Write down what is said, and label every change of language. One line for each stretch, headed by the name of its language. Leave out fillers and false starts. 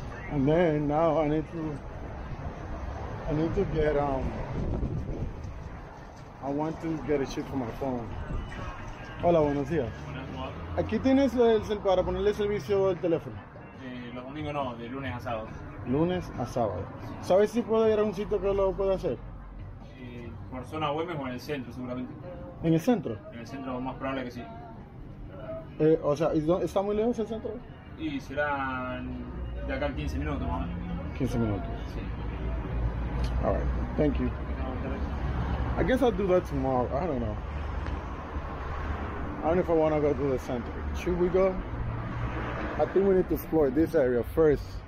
English: And then now I want to get a chip for my phone.
Spanish: Hola, buenos días. Aquí tienes el para ponerle servicio al teléfono. Los domingos no, de lunes a sábado. Lunes a sábado. ¿Sabes si puedo ir a un sitio que lo pueda hacer? Por zona Güemes o en el centro, seguramente. ¿En el centro? En el centro, más probable que sí. O sea, ¿está muy lejos el centro? Y serán de acá en 15 minutos más o menos. 15 minutos. Sí.
English: All right, thank you. I guess I'll do that tomorrow, I don't know. I don't know if I want to go to the center. Should we go? I think we need to explore this area first.